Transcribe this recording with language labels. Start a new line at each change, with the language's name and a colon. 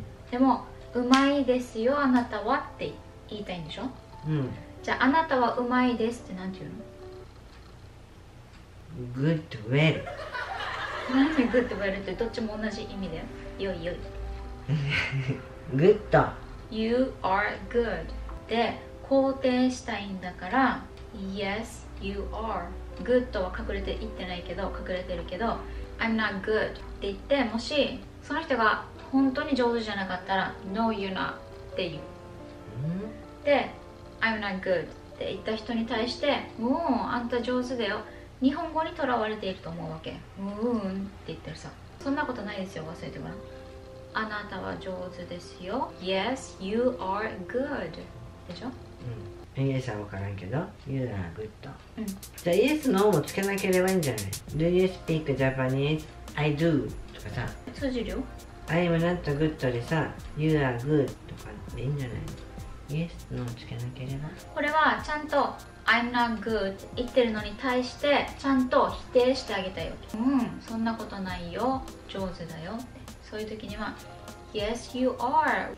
Japanese: でもうまいですよあなたはって言いたいんでしょ、うん、じゃああなたはうまいですってなんて言うの？
English: Good well。
Japanese: なんで Good well ってどっちも同じ意味だよ。よいよい。
English: Good。 You are good
Japanese: で肯定したいんだから
English: Yes you are。
Japanese: Good は隠れて言ってないけど、隠れてるけど
English: I'm not good
Japanese: って言って、もしその人が本当に上手じゃなかったら
English: No you're not
Japanese: って言う。で
English: I'm not good
Japanese: って言った人に対して、うーんあんた上手だよ、日本語にとらわれていると思うわけ。うーんって言ってるさ。そんなことないですよ、忘れてごらん。あなたは上手ですよ。
English: Yes you are good でしょ。
Japanese: うん、イエスは分からんけど
English: You are good、
Japanese: うん、じゃあ Yes No もつけなければいいんじゃない。
English: Do you speak Japanese? I do とかさ
Japanese: 通じるよ。
English: I am not good
Japanese: でさ
English: You are good
Japanese: とかでいいんじゃない。 Yes, no, つけなければ。これはちゃんと
English: I'm not good
Japanese: 言ってるのに対してちゃんと否定してあげたよ。うん、そんなことないよ、上手だよって。そういう時には
English: Yes, you are.